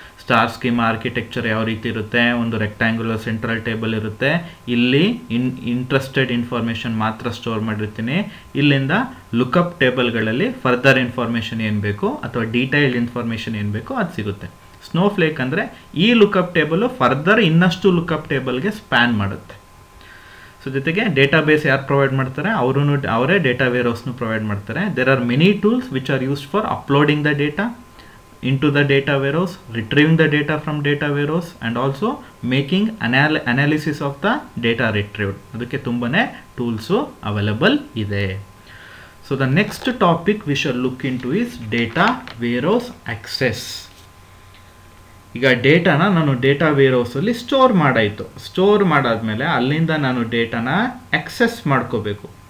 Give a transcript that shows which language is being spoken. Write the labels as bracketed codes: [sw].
[kn] Star scheme architecture ಯಾವ ರೀತಿ ಇರುತ್ತೆ, ಒಂದು ರೆಕ್ಟ್ಯಾಂಗ್ಯುಲರ್ ಸೆಂಟ್ರಲ್ ಟೇಬಲ್ ಇರುತ್ತೆ, ಇಲ್ಲಿ ಇಂಟ್ರೆಸ್ಟೆಡ್ ಇನ್ಫಾರ್ಮೇಷನ್ ಮಾತ್ರ ಸ್ಟೋರ್ ಮಾಡಿರ್ತೀನಿ, ಇಲ್ಲಿಂದ ಲುಕಪ್ ಟೇಬಲ್ಗಳಲ್ಲಿ ಫರ್ದರ್ ಇನ್ಫಾರ್ಮೇಷನ್ ಏನು ಬೇಕು ಅಥವಾ ಡೀಟೈಲ್ಡ್ ಇನ್ಫಾರ್ಮೇಷನ್ ಏನು ಬೇಕು ಅದು ಸಿಗುತ್ತೆ. ಸ್ನೋಫ್ಲೇಕ್ ಅಂದರೆ ಈ ಲುಕಪ್ ಟೇಬಲು ಫರ್ದರ್ ಇನ್ನಷ್ಟು ಲುಕಪ್ ಟೇಬಲ್ಗೆ ಸ್ಪ್ಯಾನ್ ಮಾಡುತ್ತೆ. ಸೊ ಜೊತೆಗೆ ಡೇಟಾ ಬೇಸ್ ಯಾರು ಪ್ರೊವೈಡ್ ಮಾಡ್ತಾರೆ ಅವರೂ ಅವರೇ ಡೇಟಾ ವೇರ್ ಹೌಸ್ನು ಪ್ರೊವೈಡ್ ಮಾಡ್ತಾರೆ. [en] There are many tools which are used for uploading the data, into the data warehouse, retrieving the data from data warehouse, and also making analysis of the data retrieved. [kn] ಅದಕ್ಕೆ ತುಂಬಾ tools available ಇದೆ. [en] So the next topic we shall look into is data warehouse access. [kn] ಈಗ ಡೇಟಾನ ನಾನು data ವೇರೋಸಲ್ಲಿ store ಮಾಡಾಯಿತು, store ಮಾಡಾದ್ಮೇಲೆ ಅಲ್ಲಿಂದ ನಾನು ಡೇಟಾನ access ಮಾಡ್ಕೋಬೇಕು.